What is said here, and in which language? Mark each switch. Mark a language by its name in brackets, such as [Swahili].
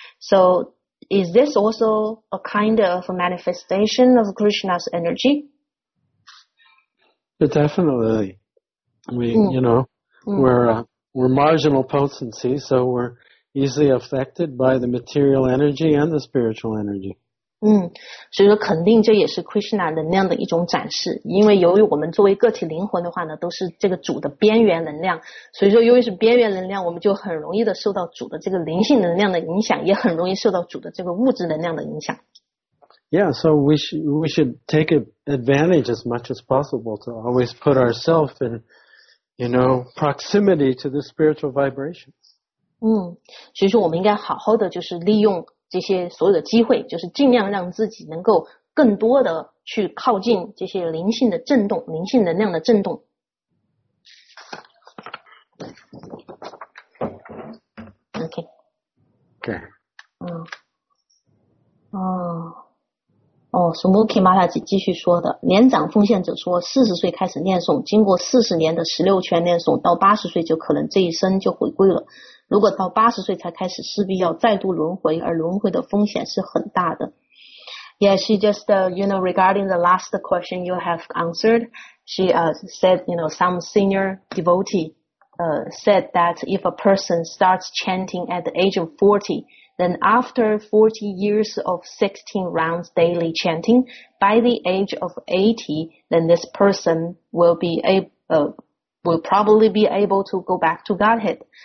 [English] So,Is this also a kind of a manifestation of Krishna's energy? Definitely. We're marginal potency, so we're easily affected by the material energy and the spiritual energy. [Chinese] 嗯，所以说肯定这也是 Krishna 能量的一种展示，因为由于我们作为个体灵魂的话呢，都是这个主的边缘能量，所以说由于是边缘能量，我们就很容易的受到主的这个灵性能量的影响，也很容易受到主的这个物质能量的影响。 [English] Yeah, so we should take advantage as much as possible to always put ourselves in, you know, proximity to the spiritual vibrations. [Chinese] 嗯，所以说我们应该好好的就是利用。这些所有的机会，就是尽量让自己能够更多的去靠近这些灵性的震动，灵性能量的震动。 [English] OK。 OK。 [Chinese] 嗯。哦。哦，Smoky Mata继续说的，年长奉献者说，40岁开始念诵，经过40年的16圈念诵，到80岁就可能这一生就回归了。如果到80岁才开始，势必要再度轮回，而轮回的风险是很大的。 [English] Yeah, she just, you know, regarding the last question you have answered, she said, you know, some senior devotee said that if a person starts chanting at the age of 40, then after 40 years of 16 rounds daily chanting, by the age of 80, then this person will probably be able to go back to Godhead.